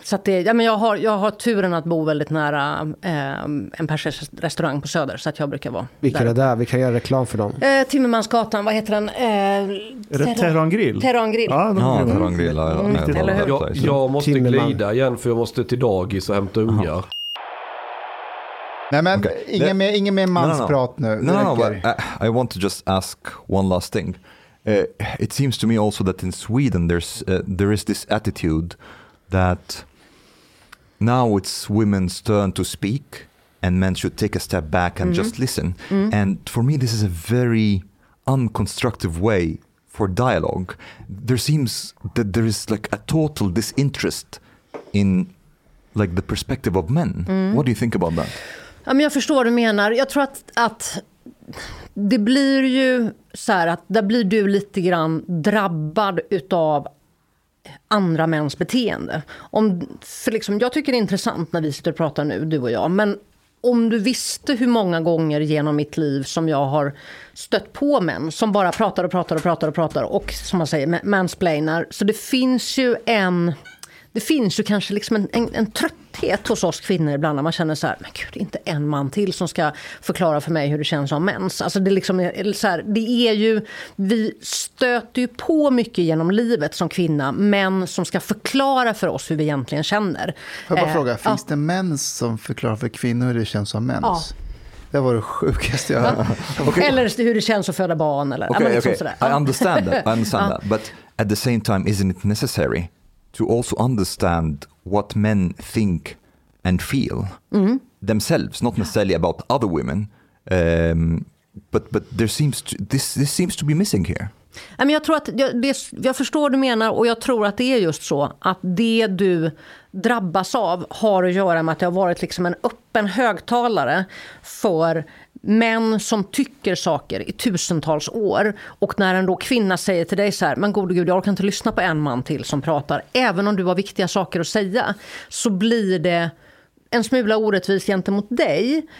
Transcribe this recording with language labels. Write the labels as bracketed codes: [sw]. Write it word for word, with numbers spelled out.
[sv] Så att det, ja, men jag, har, jag har turen att bo väldigt nära eh, en persisk restaurang på Söder, så att jag brukar vara Vilka där. där? Vi kan göra reklam för dem. Eh, Timmermansgatan, vad heter den? Eh, Tehran Grill. Tehran Grill. Ja, Tehran Grill. Jag, jag måste glida igen för jag måste till dagis och hämta ungar. Aha. Nej, men okay. ingen, mer, ingen mer mansprat [en] no, no, [sv] nu. [en] No, no, no, but I, I want to just ask one last thing. Uh, it seems to me also that in Sweden there's uh, there is this attitude that now it's women's turn to speak and men should take a step back and mm-hmm. just listen. Mm-hmm. And for me this is a very unconstructive way for dialogue. There seems that there is like a total disinterest in like the perspective of men. Mm. What do you think about that? [sv] Ja, men jag förstår vad du menar. Jag tror att, att det blir ju så här att där blir du lite grann drabbad utav andra mäns beteende. Om, för liksom, jag tycker det är intressant när vi sitter och pratar nu, du och jag. Men om du visste hur många gånger genom mitt liv som jag har stött på män som bara pratar och pratar och pratar och pratar och som man säger mansplainar. Så det finns ju en... Det finns ju kanske liksom en, en, en trötthet hos oss kvinnor ibland när man känner så här, men gud, det är inte en man till som ska förklara för mig hur det känns om mens. Alltså det, liksom är, så här, det är ju, vi stöter ju på mycket genom livet som kvinna, män som ska förklara för oss hur vi egentligen känner. Får jag bara eh, fråga, finns ja. det män som förklarar för kvinnor hur det känns om mens? Ja. Det var det sjukaste jag hörde. Okay. Eller hur det känns att föda barn. Eller, okay, liksom okay. [en] I understand that, I understand ja. that. But at the same time, isn't it necessary to also understand what men think and feel mm. themselves, not necessarily about other women, um, but but there seems to, this this seems to be missing here. I mean, [sv] jag tror att jag, det, jag förstår vad du menar, och jag tror att det är just så att det du drabbas av har att göra med att det har varit liksom en öppen högtalare för män som tycker saker i tusentals år, och när en då kvinna säger till dig så här, men gode gud, jag orkar inte lyssna på en man till som pratar, även om du har viktiga saker att säga, så blir det en smula orättvist gentemot dig.